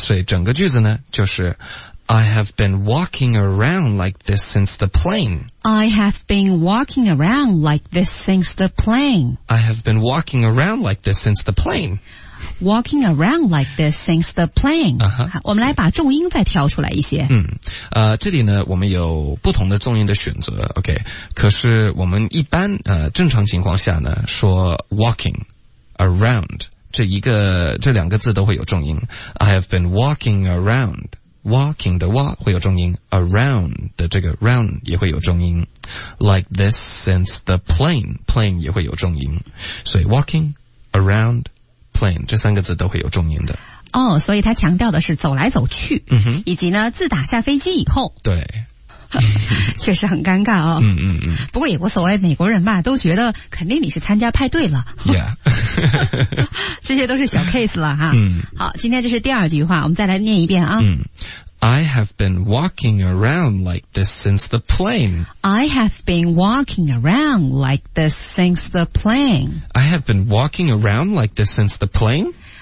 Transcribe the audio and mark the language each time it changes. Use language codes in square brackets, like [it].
[zh] 所以整个句子呢，就是 [en] I have been walking around like this since the plane. I have been walking around like this since the plane. I have been walking around like this since the plane. Walking around like this since the plane.、 Uh-huh. [zh] 我们来把重音再挑出来一些。嗯，这里呢，我们有不同的重音的选择。 OK， 可是我们一般正常情况下呢，说 walking around 这两个字都会有重音。 [en] I have been walking around。 [zh] Walking 的 wa 会有重音 ，around 的这个 round 也会有重音 ， [en] like this since the plane [zh] 也会有重音，所以 walking around plane 这三个字都会有重音的。哦、oh, ，所以他强调的是走来走去，嗯哼，以及呢，自打下飞机以后，对。确实很尴尬哦。嗯嗯嗯。不过也无所谓，美国人嘛，都觉得肯定你是参加派对了。 [en] Yeah. [zh] 这些都是小 case 了哈。嗯。好，今天这是第二句话，我们再来念一遍啊。嗯。 [en] I have been walking around like this since the plane. I have been walking around like this since the plane. I have been walking around like this since the plane.